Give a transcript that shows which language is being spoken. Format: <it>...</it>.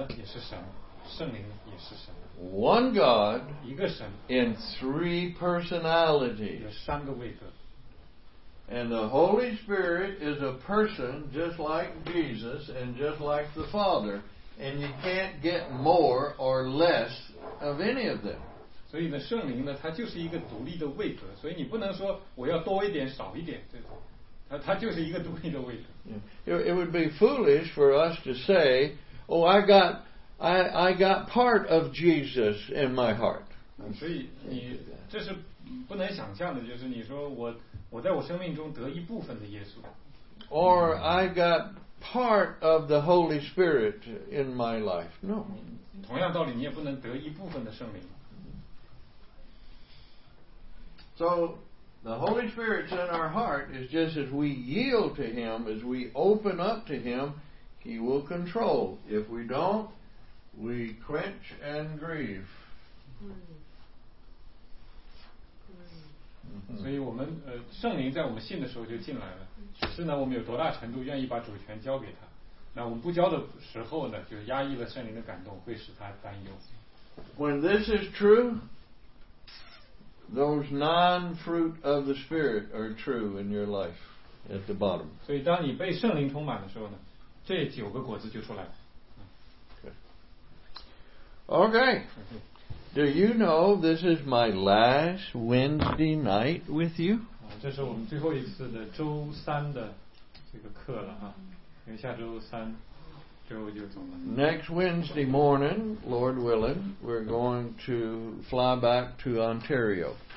<zh>然后父呢是神，子呢也是神，圣灵也是神。</zh> <en>One God,</en> <zh>一个神,</zh> <en>in three personalities.</en> <zh>有三个位格。</zh> <en>And the Holy Spirit is a person just like Jesus and just like the Father. And you can't get more or less of any of them.</en> <zh>所以呢，圣灵呢，它就是一个独立的位格，所以你不能说我要多一点少一点，对吧？它就是一个独立的位格。</zh> <en>Yeah. It would be foolish for us to say, oh, I got part of Jesus in my heart.</en> <zh>所以你这是不能想象的，就是你说我在我生命中得一部分的耶稣。</zh> <en>Or I got part of the Holy Spirit in my life. No.</en> <zh>同样道理，你也不能得一部分的圣灵。</zh> <en>So, the Holy Spirit's in our heart is just as we yield to Him, as we open up to Him, He will control. If we don't, we quench and grieve. Mm-hmm.</en> <zh>所以我们圣灵在我们信的时候就进来了，只是呢我们有多大程度愿意把主权交给他。那我们不交的时候呢，就压抑了圣灵的感动，会使他担忧。</zh> <en>When this is true, those nine fruit of the Spirit are true in your life at the bottom.</en> <zh>所以当你被圣灵充满的时候呢，这九个果子就出来了。</zh> <en>Okay. Do you know this is my last Wednesday night with you?</en> <zh>这是我们最后一次的周三的这个课了啊。</zh> <en>Next Wednesday morning, Lord willing, we're going to fly back to Ontario.</en>